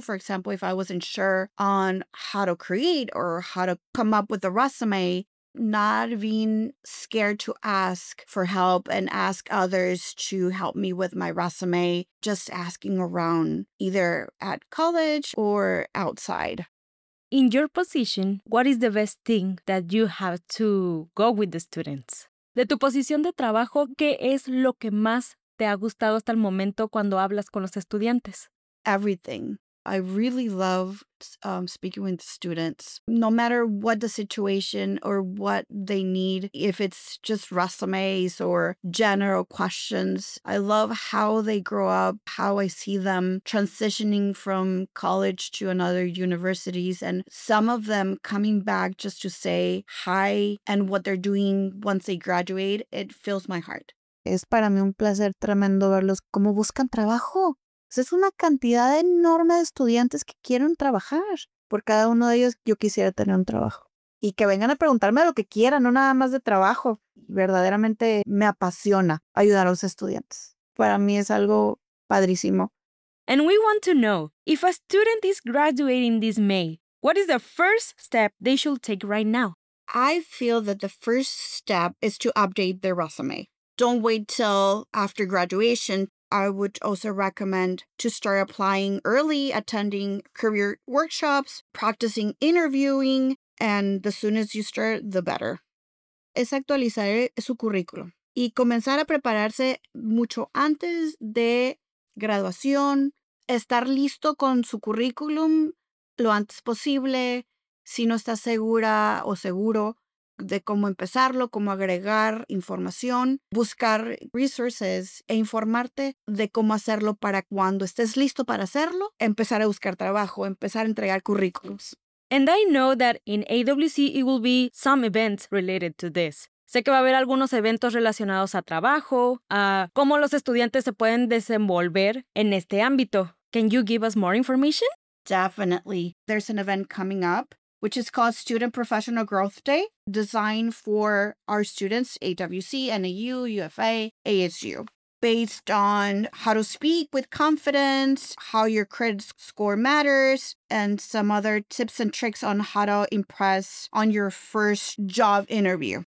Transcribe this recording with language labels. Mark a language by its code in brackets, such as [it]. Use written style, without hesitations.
[en] For example, if I wasn't sure on how to create or how to come up with a resume, not being scared to ask for help and ask others to help me with my resume, just asking around either at college or outside. In your position, what is the best thing that you have to go with the students? [es] De tu posición de trabajo, ¿qué es lo que más te ha gustado hasta el momento cuando hablas con los estudiantes? [en] Everything. I really love speaking with students, no matter what the situation or what they need, if it's just resumes or general questions. I love how they grow up, how I see them transitioning from college to another universities, and some of them coming back just to say hi and what they're doing once they graduate. It fills my heart. [es] Es para mí un placer tremendo verlos cómo buscan trabajo. Es una cantidad enorme de estudiantes que quieren trabajar. Por cada uno de ellos, yo quisiera tener un trabajo. Y que vengan a preguntarme lo que quieran, no nada más de trabajo. Verdaderamente me apasiona ayudar a los estudiantes. Para mí es algo padrísimo. [en] And we want to know, if a student is graduating this May, what is the first step they should take right now? I feel that the first step is to update their resume. Don't wait till after graduation. I would also recommend to start applying early, attending career workshops, practicing interviewing, and the sooner you start, the better. [es] Es actualizar su currículum y comenzar a prepararse mucho antes de graduación, estar listo con su currículum lo antes posible, si no está segura o seguro de cómo empezarlo, cómo agregar información, buscar resources e informarte de cómo hacerlo para cuando estés listo para hacerlo, empezar a buscar trabajo, empezar a entregar currículums. [en] And I know that in AWC it will be some events related to this. [es] Sé que va a haber algunos eventos relacionados a trabajo, a cómo los estudiantes se pueden desenvolver en este ámbito. [en] Can you give us more information? Definitely. There's an event coming up, which is called Student Professional Growth Day, designed for our students, AWC, NAU, UFA, ASU, based on how to speak with confidence, how your credit score matters, and some other tips and tricks on how to impress on your first job interview.